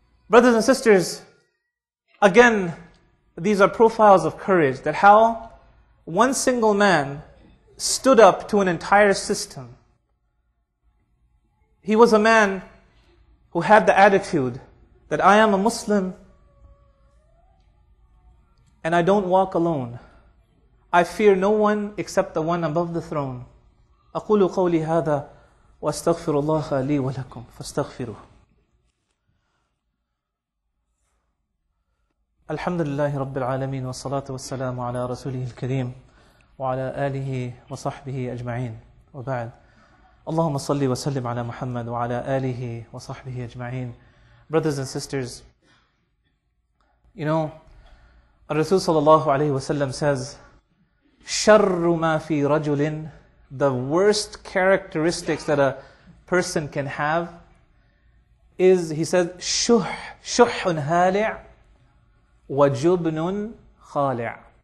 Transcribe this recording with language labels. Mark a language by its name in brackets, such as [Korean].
[English] Brothers and sisters, again, these are profiles of courage, that how one single man stood up to an entire system. He was a man who had the attitude that I am a Muslim and I don't walk alone. I fear no one except the one above the throne. [Arabic] أقول قولي هذا وأستغفر الله لي ولكم فاستغفروه. الحمد لله رب العالمين والصلاة والسلام على رسوله الكريم وعلى آله وصحبه أجمعين وبعد. اللهم صل وسلم على محمد وعلى آله وصحبه أجمعين. [English] Brothers and sisters, you know, [Arabic] الرسول صلى الله عليه وسلم [English] says, [Arabic] شر ما في رجل, [English] the worst characteristics that a person can have is, he says, [Arabic] شح, شح هالع وَجُبْنٌ خَالِعٌ.